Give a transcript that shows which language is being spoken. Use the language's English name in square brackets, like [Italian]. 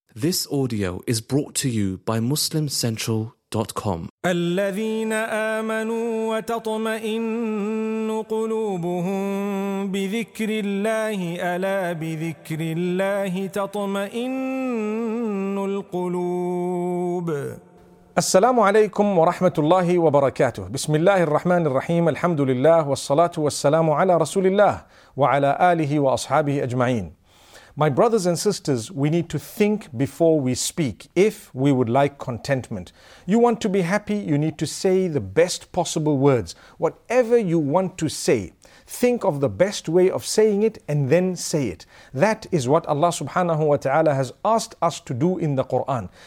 [English] This audio is brought to you by MuslimCentral.com. [Arabic] الذين آمنوا وتطمئن قلوبهم بذكر الله ألا بذكر الله تطمئن القلوب. السلام عليكم ورحمة الله وبركاته. بسم الله الرحمن الرحيم. الحمد لله والصلاة والسلام على رسول الله وعلى آله وأصحابه أجمعين. [English] My brothers and sisters, we need to think before we speak if we would like contentment. You want to be happy, you need to say the best possible words. Whatever you want to say, think of the best way of saying it and then say it. That is what Allah subhanahu wa ta'ala has asked us to do in the Quran.